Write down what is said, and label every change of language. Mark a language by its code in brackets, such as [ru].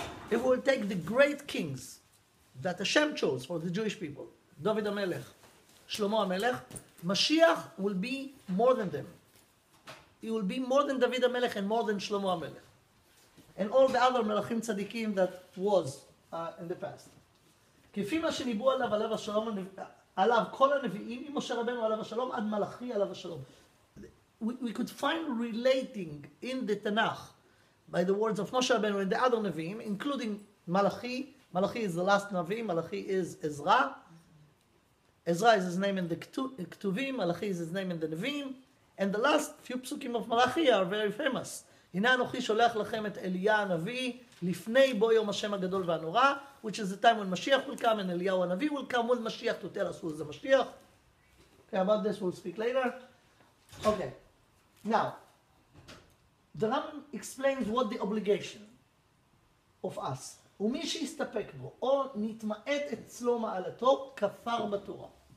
[en] It will take the great kings that Hashem chose for the Jewish people, David HaMelech, Shlomo HaMelech, Mashiach will be more than them. He will be more than David HaMelech and more than Shlomo HaMelech. And all the other Melachim Tzadikim that was in the past. [he] כפי מה שניבו עליו, עליו השלום, עליו כל הנביאים, עם משה רבנו עליו השלום, עד מלאכי עליו השלום. [en] We could find relating in the Tanakh by the words of Moshe Rabbeinu and the other Nevi'im, including Malachi. Malachi is the last Navi, Malachi is Ezra. Ezra is his name in the Ketuvim, Malachi is his name in the Nevi'im. And the last few psukim of Malachi are very famous. [he] הנה אנוכי שולח לכם את אליה הנביא, לפני בו יום השם הגדול והנורא, [en] which is the time when Mashiach will come, and אליהו הנביא will come, when Mashiach to tell us who is the Mashiach. Okay, about this we'll speak later. Okay, now, the Rambam explains what the obligation of us. [he] ומי שיסתפק בו, או נתמעט אצלו מעלתו, כפר בתורה.